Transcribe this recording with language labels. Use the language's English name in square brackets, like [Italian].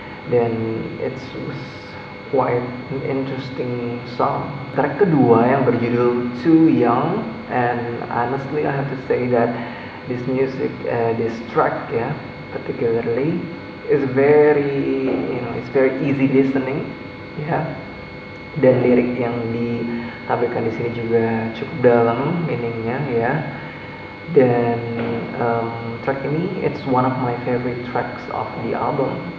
[English] Then it's quite an interesting song. [Indonesian] Track kedua yang berjudul [English] Too Young, and honestly I have to say that this music, this track, yeah, particularly is very, you know, it's very easy listening, yeah. [Indonesian] Dan lirik yang ditampilkan di sini juga cukup dalam meaningnya, yeah. Dan track ini, [English] it's one of my favorite tracks of the album.